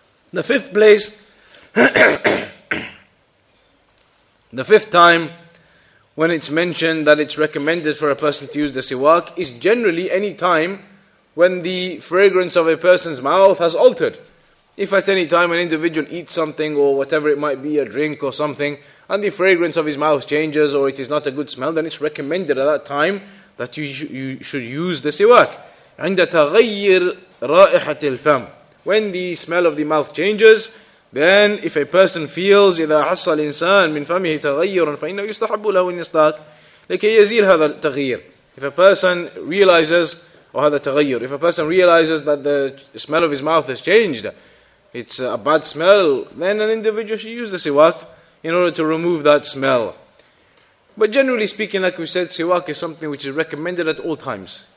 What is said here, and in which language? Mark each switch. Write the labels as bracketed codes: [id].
[en] The fifth time, when it's mentioned that it's recommended for a person to use the siwak, is generally any time when the fragrance of a person's mouth has altered. If at any time an individual eats something or whatever it might be, a drink or something, and the fragrance of his mouth changes or it is not a good smell, then it's recommended at that time that you should use the siwak. [ar] عند تغير رائحة الفم. [en] When the smell of the mouth changes, then if a person feels [ar] إذا حس الإنسان من فمه تغيرا فإنه يستحب له أن يستاك لكي يزيل هذا التغيير. [en] If a person realizes, or [ar] هذا تغيير, [en] if a person realizes that the smell of his mouth has changed, it's a bad smell, then an individual should use the siwak in order to remove that smell. But generally speaking, like we said, siwak is something which is recommended at all times.